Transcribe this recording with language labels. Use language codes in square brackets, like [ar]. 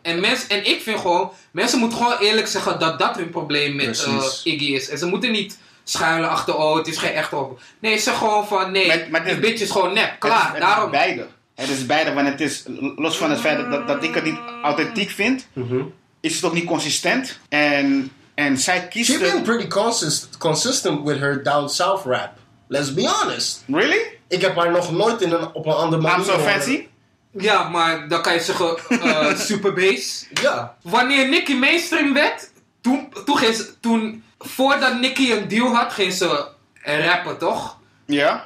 [nl] En ik vind gewoon, mensen moeten gewoon eerlijk zeggen dat hun probleem met Iggy is. En ze moeten niet schuilen achter, oh, het is geen echte hip-hop. Nee, ze gewoon van, nee, die bitch is gewoon nep. Klaar, daarom. Het is beide, want het is, los van het feit dat ik het niet authentiek vind, is het ook niet consistent. En zij kiest. [en] She's been pretty consistent with her down south rap. Let's be honest. Really? [nl] Ik heb haar nog nooit op een andere manier. [en] I'm so fancy. [nl] Ja, maar dan kan je zeggen Super Bass. Ja. Wanneer Nicki mainstream werd, toen voordat Nicki een deal had, ging ze rappen, toch? Ja.